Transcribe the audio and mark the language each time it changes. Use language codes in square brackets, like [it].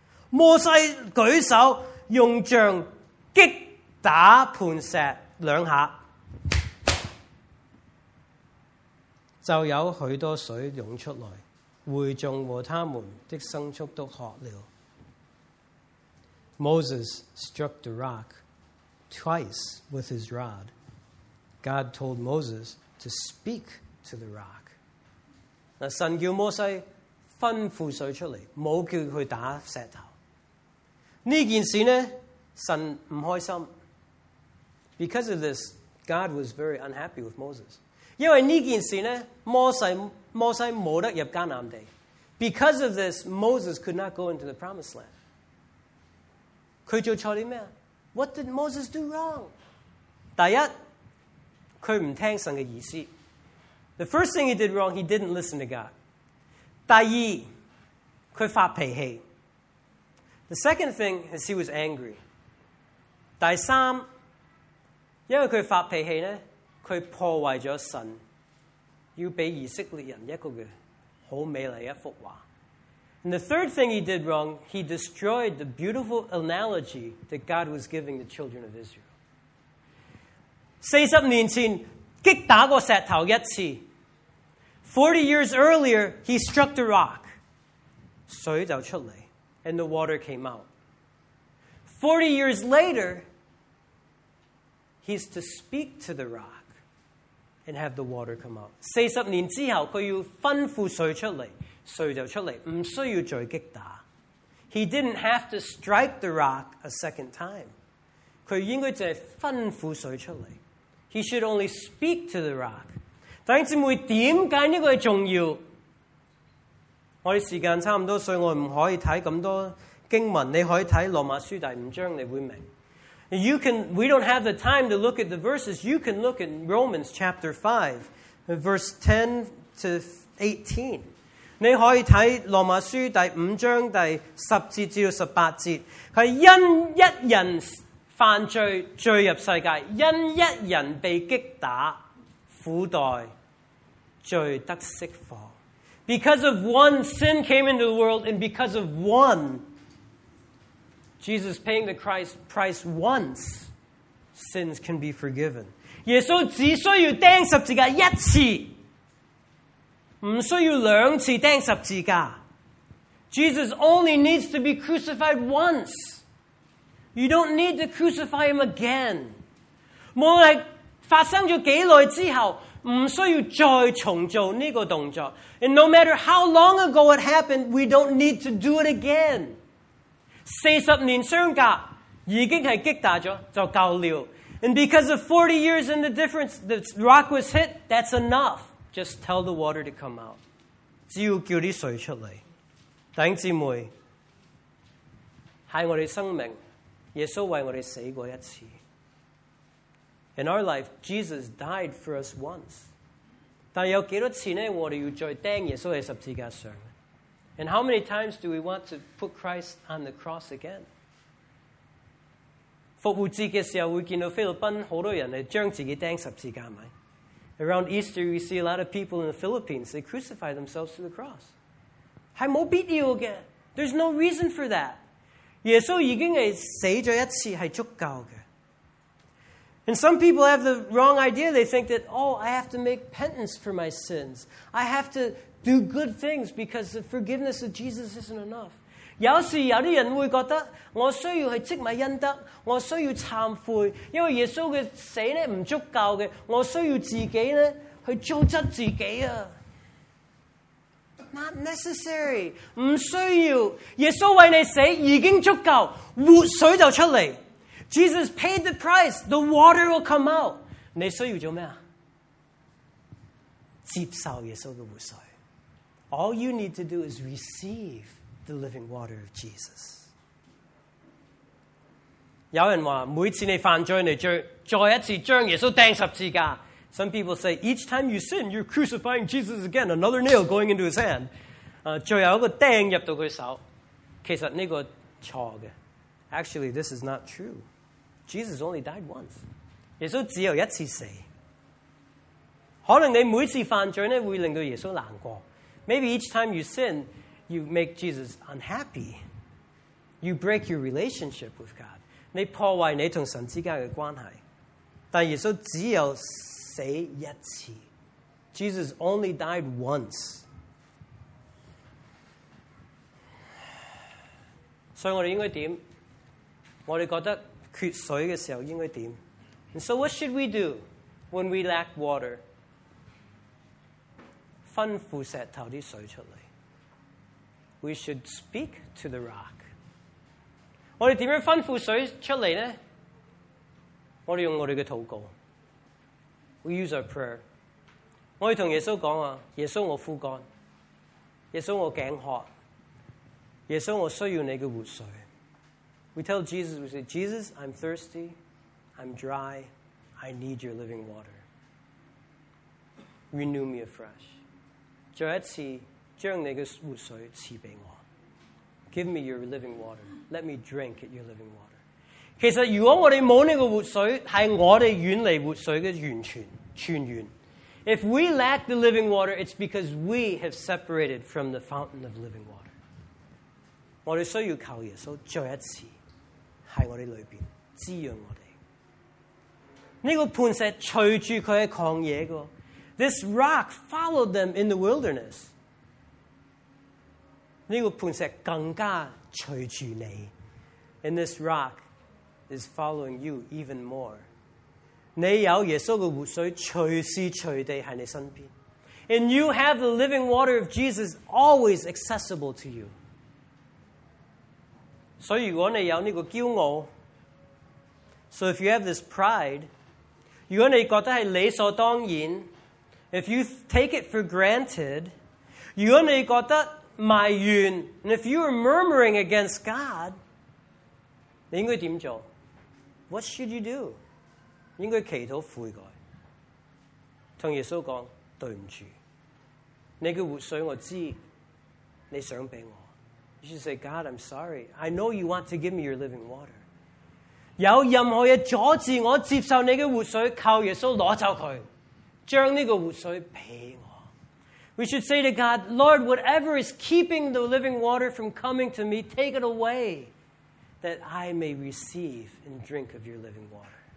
[zh] 摩西举手用杖击打磐石两下，就有许多水涌出来，会众和他们的牲畜都喝了。 [en] Moses struck the rock. Twice with his rod, God told Moses to speak to the rock. [zh] 神叫摩西吩咐水出来，冇叫佢打石头。呢件事呢，神唔开心。 [en] Because of this, God was very unhappy with Moses. [zh] 因为呢件事呢，摩西冇得入迦南地。 [en] Because of this, Moses could not go into the promised land. [zh] 佢做错啲咩？ [en] What did Moses do wrong? [zh] 第一，佢唔听神嘅意思。 [en] The first thing he did wrong, he didn't listen to God. [zh] 第二，佢发脾气。 [en] The second thing is he was angry. [zh] 第三，因为佢发脾气呢，佢破坏咗神要俾以色列人一个嘅好美丽一幅画。 [en] And the third thing he did wrong, he destroyed the beautiful analogy that God was giving the children of Israel. [zh] 40 年前击打过石头一次。 [en] 40 years earlier, he struck the rock. [zh] 水就出来, [en] and the water came out. 40 years later, he's to speak to the rock and have the water come out. [zh] 40 年之后他要吩咐水出来。水就出来，不需要再击打。 [en] He didn't have to strike the rock a second time. [zh] 他应该只是吩咐水出来。 [en] He should only speak to the rock. [zh] 弟兄姊妹，点解呢个重要？我哋时间差不多，所以我唔可以睇咁多经文。你可以睇罗马书第五章，你会明。 [en] We don't have the time to look at the verses. You can look at Romans chapter 5, verse 10 to 18. [zh] 你可以睇《罗马书》第五章第十节至到十八节，佢因一人犯罪罪入世界，因一人被击打苦待，罪得释放。 [en] Because of one, sin came into the world, and because of one, Jesus paying the price once, sins can be forgiven. [zh] 耶稣只需要钉十字架一次。不需要两次钉十字架。 [en] Jesus only needs to be crucified once. You don't need to crucify him again. [zh] 无论发生了几耐之后，不需要再重做这个动作。 [en] And no matter how long ago it happened, we don't need to do it again. [zh] 40年相隔，已经是击打了，就够了。 [en] And because of 40 years in the difference, the rock was hit, that's enough. Just tell the water to come out. [zh] 只要叫啲水出嚟，弟兄姊妹，系我哋生命，耶稣为我哋死过一次。 [en] In our life, Jesus died for us once. [zh] 但有几多次呢？我哋要再钉耶稣喺十字架上。 [en] And how many times do we want to put Christ on the cross again? [zh] 复活节嘅时候，会见到菲律宾好多人嚟将自己钉十字架咪？ [en] Around Easter, we see a lot of people in the Philippines. They crucify themselves to the cross. [zh] 还没必要的。 [en] There's no reason for that. [zh] 耶稣已经死了一次是足够的。 [en] And some people have the wrong idea. They think that, oh, I have to make penance for my sins. I have to do good things because the forgiveness of Jesus isn't enough. [zh] 有时有些人会觉得我需要去积埋恩德，我需要忏悔，因为耶稣的死不足够的，我需要自己去糟质自己。 [en] Not necessary. [zh] 不需要，耶稣为你死已经足够，活水就出来。 [en] Jesus paid the price, the water will come out. [zh] 你需要做什么？接受耶稣的活水。 [en] All you need to do is receive the living water of Jesus. [zh] 有人说每次你犯罪，你再一次将耶稣钉十字架。 [en] Some people say each time you sin, you're crucifying Jesus again. Another nail going into his hand. [zh] 最后一个钉入到他手，其实这个错的。 [en] Actually, this is not true. Jesus only died once. [zh] 耶稣只有一次死。可能你每次犯罪呢，会令到耶稣难过。 [en] Maybe each time you sin,you make Jesus unhappy. You break your relationship with God. [zh] 你破坏你和神之间的关系。但耶稣只有死一次。 [en] Jesus only died once. [zh] 所以我们应该怎样？我们觉得缺水的时候应该怎样？ [en] And so what should we do when we lack water? [zh] 吩咐石头的水出来。 [en] We should speak to the rock. [zh] 我们怎样吩咐水出来呢？我们用我们的祷告。 [en] We use our prayer. [zh] 我们跟耶稣说，耶稣我枯干，耶稣我颈渴，耶稣我需要你的活水。 [en] We tell Jesus, we say, Jesus, I'm thirsty, I'm dry, I need your living water. Renew me afresh. [zh] 再一次将你的活水赐给我。 [en] Give me your living water. Let me drink at your living water. [zh] 其实如果我们没有这个活水，是我们远离活水的泉源。 [en] If we lack the living water, it's because we have separated from the fountain of living water. [zh] 我们需要靠耶稣再一次在我们里面滋养我们。这个磐石随着他在旷野过。 [en] This rock followed them in the wilderness. [zh] 这个磐石更加随着你。 [en] And this rock is following you even more. [zh] 你有耶稣的活水随时随地在你身边。 [en] And you have the living water of Jesus always accessible to you. [zh] 所以如果你有这个骄傲， [en] So if you have this pride, [zh] 如果你觉得是理所当然， [en] If you take it for granted, [zh] 如果你觉得埋怨， [en] and if you are murmuring against God, [zh] 你应该怎么做？ [en] What should you do? [zh] 应该祈祷悔改，跟耶稣讲对唔住，你嘅活水我知你想俾我。 [en] You should say, God, I'm sorry. I know you want to give me your living water. [zh] 有任何嘢阻止我接受你嘅活水，靠耶稣攞走佢，将呢个活水俾我。 [en] We should say to God, Lord, whatever is keeping the living water from coming to me, take it away, that I may receive and drink of your living water.